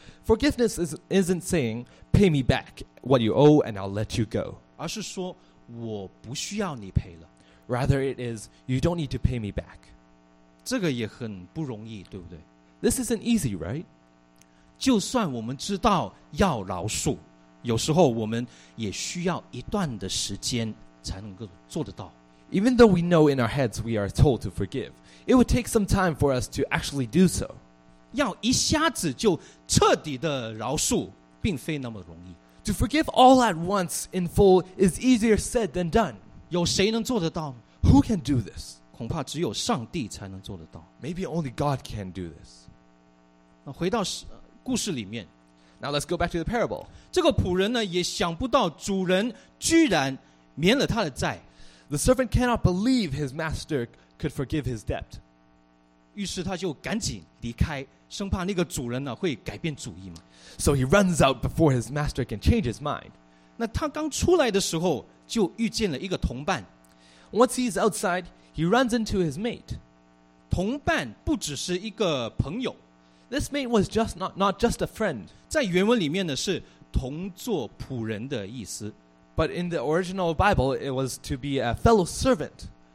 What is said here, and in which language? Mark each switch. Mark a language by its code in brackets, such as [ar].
[en] Forgiveness isn't saying pay me back what you owe and I'll let you go. [zh] 而是说我不需要你赔了。 [en] Rather it is you don't need to pay me back. [zh] 这个也很不容易, 对不对? [en] This isn't easy, right? [zh] 就算我们知道要饶恕, 有时候我们也需要一段的时间才能够做得到。 [en] Even though we know in our heads we are told to forgive, it would take some time for us to actually do so. [zh] 要一下子就彻底的饶恕, 并非那么容易。 [en] To forgive all at once in full is easier said than done. [zh] 有谁能做得到? [en] Who can do this? [zh] 恐怕只有上帝才能做得到。 [en] Maybe only God can do this. [zh] 回到故事里面。 [en] Now let's go back to the parable. [zh] 这个仆人呢, 也想不到主人居然免了他的债。 [en] The servant cannot believe his master could forgive his debt. [zh] 于是他就赶紧离开, 生怕那个主人呢, 会改变主意嘛。 [en] So he runs out before his master can change his mind. [zh] 那他刚出来的时候, 就遇见了一个同伴。 [en] Once he's outside, he runs into his mate. [zh] 同伴不只是一个朋友。 [en] This mate was just not just a friend. [zh] 在原文里面呢, 是同作仆人的意思。 [en] But in the original Bible, it was to be a fellow servant.